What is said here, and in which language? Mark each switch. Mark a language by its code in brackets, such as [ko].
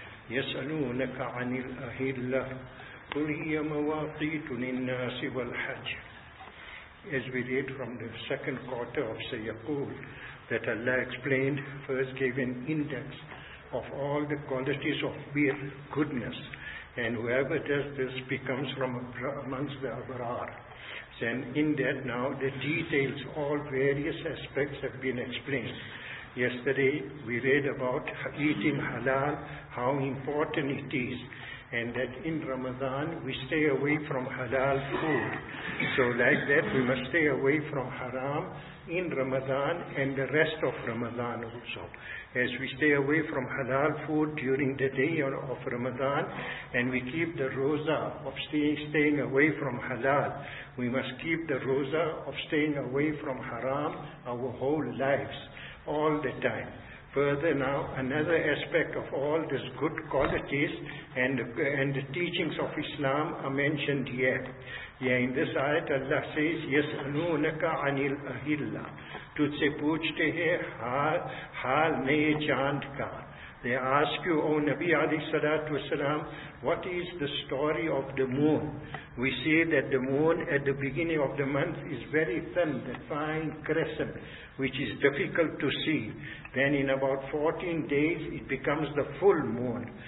[ar] يسألونك عن الأهلة قل هي مواقيت للناس والحج. [en] As we read from the second quarter of Sayyakul, that Allah explained, first gave an index of all the qualities of bir, goodness, and whoever does this becomes from amongst the abrar. Then in that now the details, all various aspects have been explained. Yesterday we read about eating halal, how important it is, and that in Ramadan we stay away from halal food. So like that we must stay away from haram in Ramadan and the rest of Ramadan also. As we stay away from halal food during the day of Ramadan and we keep the roza of staying away from halal, we must keep the roza of staying away from haram our whole lives, all the time. Further now, another aspect of all these good qualities and the teachings of Islam are mentioned here. Yeah, in this ayat Allah says, [ar] يَسْأَلُونَكَ عَنِ الْأَهِلَّةِ [ur] تُجھ سے پوچھتے ہیں حال نئے چاند کا. [en] They ask you, O Nabi alayhi salatu wasalam, what is the story of the moon? We say that the moon at the beginning of the month is very thin, the fine crescent, which is difficult to see. Then in about 14 days it becomes the full moon.